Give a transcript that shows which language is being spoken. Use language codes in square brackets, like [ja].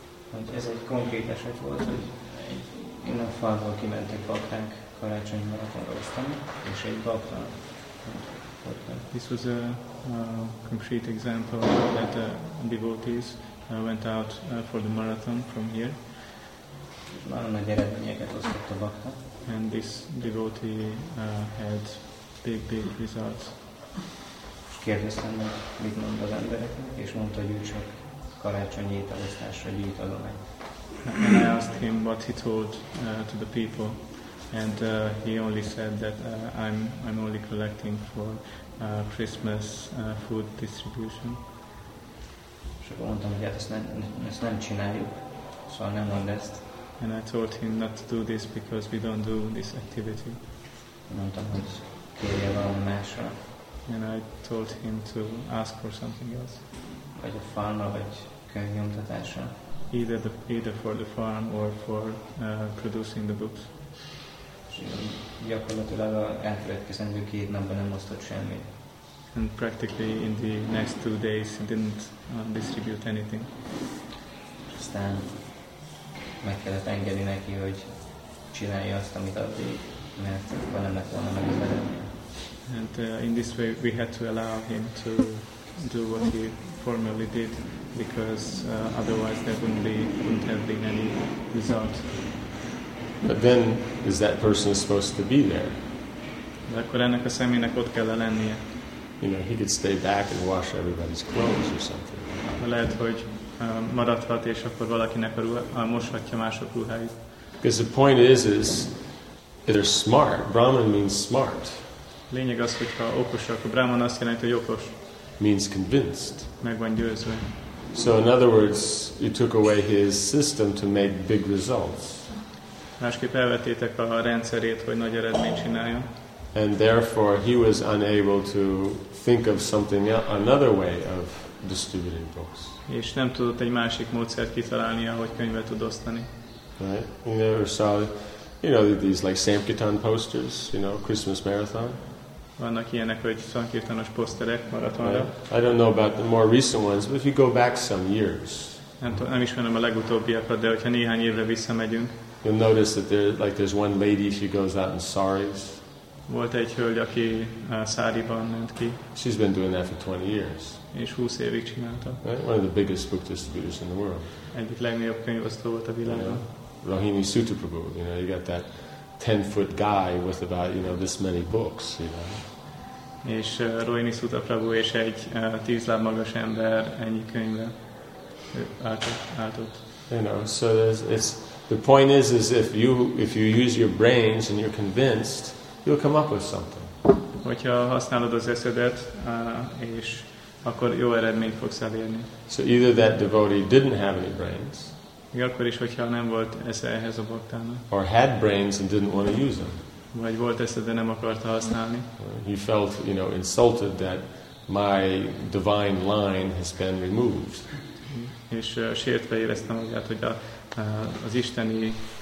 [hu] Hogy ez egy konkrét eset volt, hogy én a falból kimentek baktánk karácsonyi maratonra osztani, és egy bakta. [en] This was a concrete example that devotees went out for the marathon from here. [hu] Nagyon nagy eredményeket osztott a bakta. [en] And this devotee had big results. [hu] Kérdeztem, hogy mit mond az embereknek, és mondta, hogy ő csak karácsonyi ételosztásra gyűjt adomány. [en] And I asked him what he told to the people, and he only said that I'm only collecting for Christmas food distribution. [hu] És akkor mondtam, hogy ezt nem csináljuk, szóval nem mond ezt. [en] And I told him not to do this because we don't do this activity. [hu] Mondtam, hogy kérje valami másra. [en] And I told him to ask for something else. [hu] Vagy a farmra, vagy könyvnyomtatásra. [en] Either for the farm or for producing the books. [hu] Gyakorlatilag az elkövetkezendő két napban nem osztott semmit. [en] And practically in the next 2 days he didn't distribute anything. [hu] Aztán meg kellett engedni neki, hogy csinálja azt, amit addig, mert valami lett volna meg az eredmény. [en] And in this way we had to allow him to do what he formerly did, because otherwise there wouldn't have been any result. But then, is that person supposed to be there? [hu] De akkor ennek a személynek ott kell lennie. [en] You know, he could stay back and wash everybody's clothes or something. [hu] Lehet, hogy maradhat, és akkor valakinek moshatja mások ruháit. [en] Because the point is they're smart. Brahman means smart. [hu] Lényeg az, hogyha okosak, akkor Brahman azt jelenti, hogy okos. [en] Means convinced. [hu] Meg van győzve. [en] So in other words, you took away his system to make big results. [hu] Másképp elvettétek a rendszerét, hogy nagy eredményt csináljon. [en] And therefore he was unable to think of something else, another way of distributing books. [hu] És nem tudott egy másik módszert kitalálni, ahogy könyvet tud osztani. [en] Right? You never saw, you know, these like Sankirtan posters, you know, Christmas marathon. [hu] Vannak ilyenek, hogy szankirtanos poszterek maratonra. [en] I don't know about the more recent ones, but if you go back some years. [hu] Nem ismerem a legutóbbiakat, de hogyha néhány évre visszamegyünk. [en] You'll notice that there's one lady, she goes out in saris. [hu] Volt egy hölgy, aki száriban ment ki. [en] She's been doing that for 20 years. [hu] És 20 évig csinálta. [en] Right? One of the biggest book distributors in the world. [hu] Egyik legnagyobb könyvosztó volt a világon. [en] Rohini Sutaprabhu, you know, you got that 10-foot guy with about, you know, this many books, you know. [hu] És Rohini Sutaprabhu és egy 10 láb magas ember ennyi könyvvel átott. [en] You know, so the point is if you use your brains and you're convinced, you'll come up with something. [hu] Hogyha használod az eszedet, és akkor jó eredményt fogsz elérni. [en] So either that devotee didn't have any brains. [hu] Még akkor is, hogyha nem volt esze ehhez a baktának. [en] Or had brains and didn't want to use them. [hu] Vagy volt esze, de nem akarta használni. [en] He felt, you know, insulted that my divine line has been removed. [hu] És sértve éreztem magát, hogy az isteni